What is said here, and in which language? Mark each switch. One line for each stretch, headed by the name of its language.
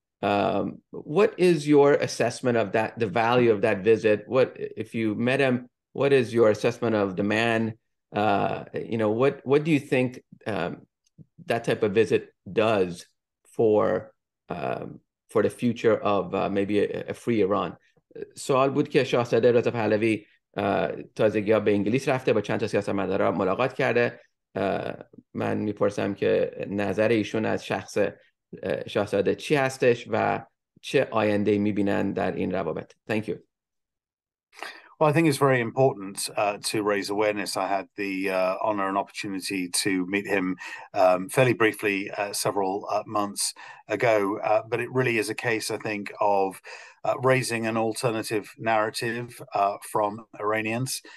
English: What is your assessment of that, the value of that visit? What, if you met him, what is your assessment of the man? You know, what do you think that type of visit does for the future of maybe a free Iran.
Persian: سوال بود که شاهزاده رضا پهلوی تازگی‌ها به انگلیس رفته با چند تا سیاستمدار ملاقات کرده. من میپرسم که نظر ایشون از شخص شاهزاده چی هستش و چه آینده‌ای می‌بینن در این روابط.
English: Thank you. Well, I think it's very important to raise awareness. I had the honor and opportunity to meet him fairly briefly several months ago, but it really is a case, I think, of raising an alternative narrative from Iranians.